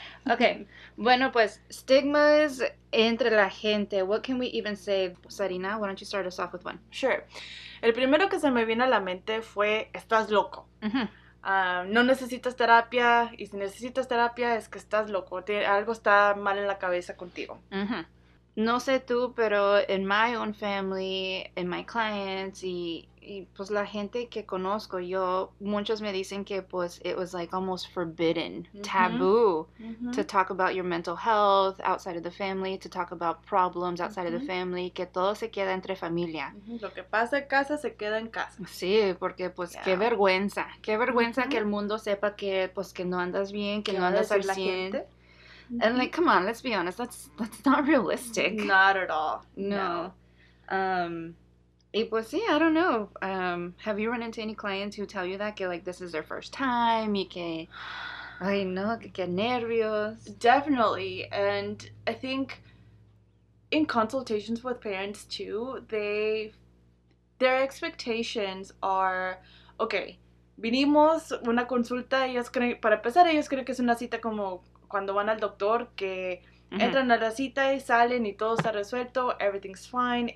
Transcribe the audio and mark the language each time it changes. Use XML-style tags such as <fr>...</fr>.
<es>Okay, bueno, pues, stigmas entre la gente.</es> <en>What can we even say, Sarina? Why don't you start us off with one? Sure.</en> <es>El primero que se me vino a la mente fue, estás loco. No necesitas terapia, y si necesitas terapia es que estás loco. Algo está mal en la cabeza contigo. No sé tú, pero</es> <en>in my own family, in my clients,</en> <es>y pues la gente que conozco, yo, muchos me dicen que pues</es> <en>it was like almost forbidden, taboo, to talk about your mental health outside of the family, to talk about problems outside of the family,</en> <es>que todo se queda entre familia. Lo que pasa en casa se queda en casa. Sí, porque pues qué vergüenza que el mundo sepa que pues que no andas bien, que no andas al 100.</es> <en>And like, come on, let's be honest, that's not realistic. Not at all. No. I don't know. Have you run into any clients who tell you that, que like, this is their first time,</en> <es>y que, ay, no, que nervios.</es> <en>Definitely. And I think in consultations with parents, too, their expectations are, okay,</en> <es>vinimos una consulta, ellos creen, para empezar, ellos creen que es una cita como cuando van al doctor, que entran a la cita y salen y todo está resuelto,</es> <en>everything's fine.</en>